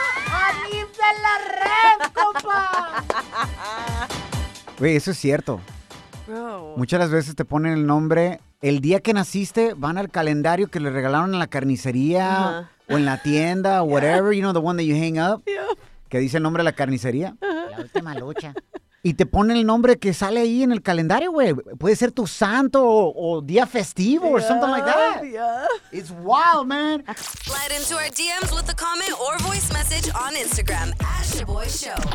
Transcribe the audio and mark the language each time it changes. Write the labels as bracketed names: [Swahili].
[Spanish] ¡Anif de la Ref, compa! Güey, eso es cierto. [English] Bro. [Spanish] Muchas de las veces te ponen el nombre. El día que naciste, van al calendario que le regalaron en la carnicería uh-huh. o en la tienda o [English] whatever, you know, the one that you hang up. Yeah. [Spanish] Que dice el nombre de la carnicería. La última lucha. Y te ponen el nombre que sale ahí en el calendario, güey. Puede ser tu santo o día festivo [English] yeah, or something like that. Yeah. It's wild, man. Slide into our DMs with a comment or voice message on Instagram. Shaboy Show.